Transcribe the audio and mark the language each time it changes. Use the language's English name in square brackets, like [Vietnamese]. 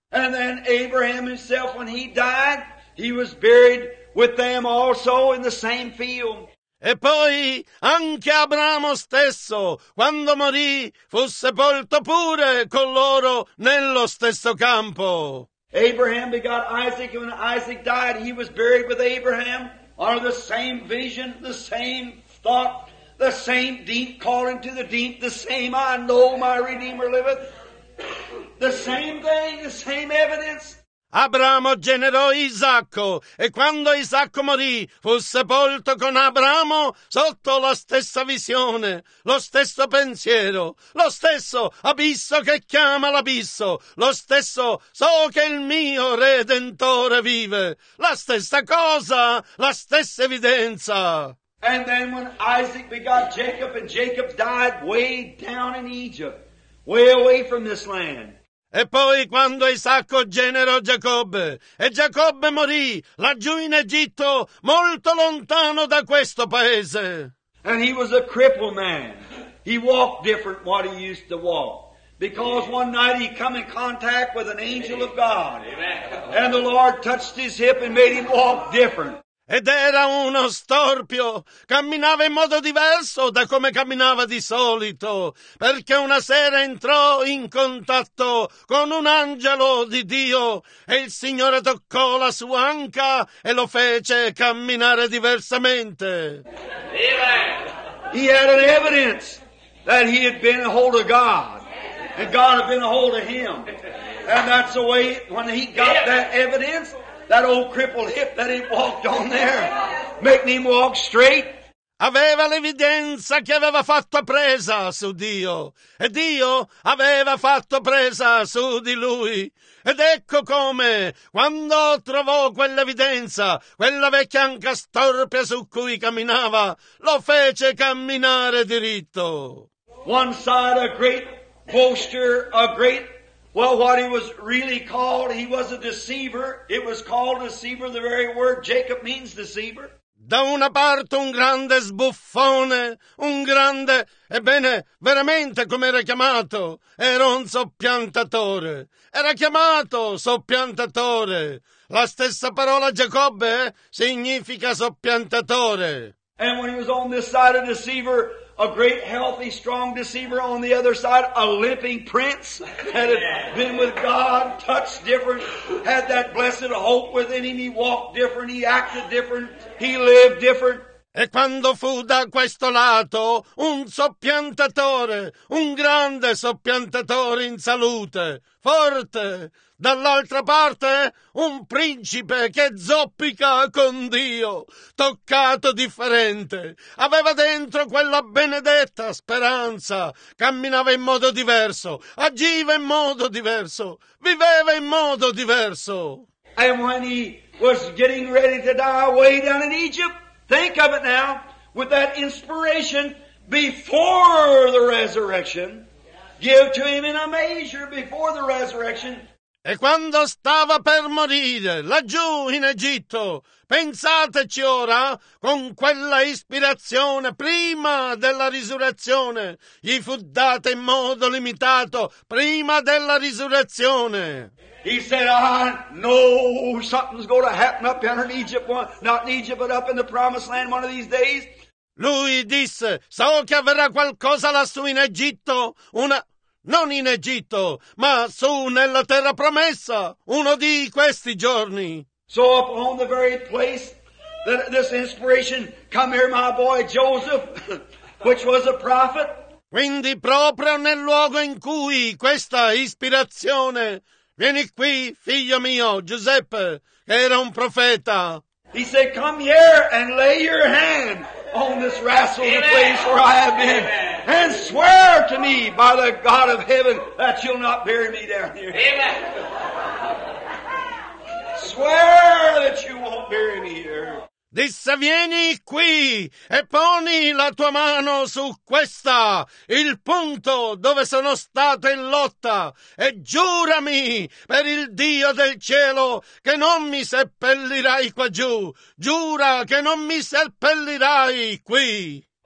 [English] And then Abraham himself, when he died, he was buried with them also in the same field. [Italian] E poi anche Abramo stesso, quando morì, fu sepolto pure con loro nello stesso campo. [English] Abraham begot Isaac, and when Isaac died, he was buried with Abraham under the same vision, the same thought, the same deep calling to the deep, the same I know my Redeemer liveth. The same thing, the same evidence. [Italian] Abramo generò Isacco, e quando Isacco morì, fu sepolto con Abramo sotto la stessa visione, lo stesso pensiero, lo stesso abisso che chiama l'abisso, lo stesso so che il mio Redentore vive, la stessa cosa, la stessa evidenza. [English] And then when Isaac begot Jacob, and Jacob died way down in Egypt, way away from this land. [Italian] E poi quando Isacco generò Giacobbe, e Giacobbe morì laggiù in Egitto, molto lontano da questo paese. [English] And he was a crippled man. He walked different what he used to walk. Because one night he come in contact with an angel of God. And the Lord touched his hip and made him walk different. [Italian] Ed era uno storpio, camminava in modo diverso da come camminava di solito, perché una sera entrò in contatto con un angelo di Dio e il Signore toccò la sua anca e lo fece camminare diversamente. [English] He had an evidence that he had been a hold of God, and God had been a hold of him. And that's the way, when he got that evidence, that old crippled hip that he walked on there, making him walk straight. [Italian] Aveva l'evidenza che aveva fatto presa su Dio, e Dio aveva fatto presa su di lui. Ed ecco come, quando trovò quell'evidenza, quella vecchia anca storpia su cui camminava, lo fece camminare diritto. [English] One side a great boaster, a great... Well, what he was really called, he was a deceiver. It was called deceiver, the very word Jacob means deceiver. [Italian] Da una parte un grande sbuffone, un grande, ebbene, veramente come era chiamato, era un soppiantatore. Era chiamato soppiantatore. La stessa parola Giacobbe significa soppiantatore. [English] And when he was on this side a deceiver, a great, healthy, strong deceiver on the other side, a limping prince that had been with God, touched different, had that blessed hope within him. He walked different, he acted different, he lived different. [Italian] E quando fu da questo lato, un soppiantatore, un grande soppiantatore in salute, forte. Dall'altra parte, un principe che zoppica con Dio, toccato differente. Aveva dentro quella benedetta speranza, camminava in modo diverso, agiva in modo diverso, viveva in modo diverso. [English] And when he was getting ready to die way down in Egypt, think of it now, with that inspiration before the resurrection, give to him in a measure before the resurrection. [Italian] E quando stava per morire, laggiù in Egitto, pensateci ora, con quella ispirazione, prima della risurrezione, gli fu data in modo limitato, prima della risurrezione. [English] He said, I know something's going to happen up here in Egypt, not in Egypt, but up in the promised land one of these days. [Italian] Lui disse, so che avverrà qualcosa lassù in Egitto, una... Non in Egitto, ma su nella terra promessa, uno di questi giorni. [English] So upon the very place that this inspiration come here, my boy Joseph, which was a prophet. [Italian] Quindi proprio nel luogo in cui questa ispirazione, vieni qui, figlio mio, Giuseppe, che era un profeta. [English] He said, come here and lay your hand on this wrestling place where I have been. And swear to me by the God of heaven that you'll not bury me down here. Amen. Swear that you won't bury me here. [Italian] disse: vieni qui e poni la tua mano su questa, il punto dove sono stato in lotta, e giurami per il Dio del cielo che non mi seppellirai qua giù. Giura che non mi seppellirai qui.